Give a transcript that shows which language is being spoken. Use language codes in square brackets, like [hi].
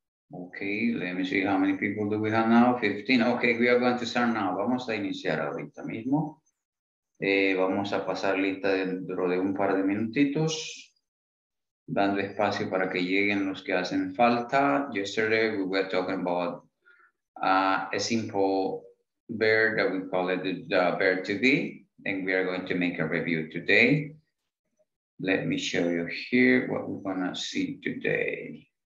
[en] Okay, let me see how many people do we have now. 15. Okay, we are going to start now. [es] Vamos a iniciar ahorita mismo. Vamos a pasar lista dentro de un par de minutitos, dando espacio para que lleguen los que hacen falta. [en] Yesterday we were talking about a simple bear that we call it the bear to be, and we are going to make a review today. Let me show you here what we're gonna see today.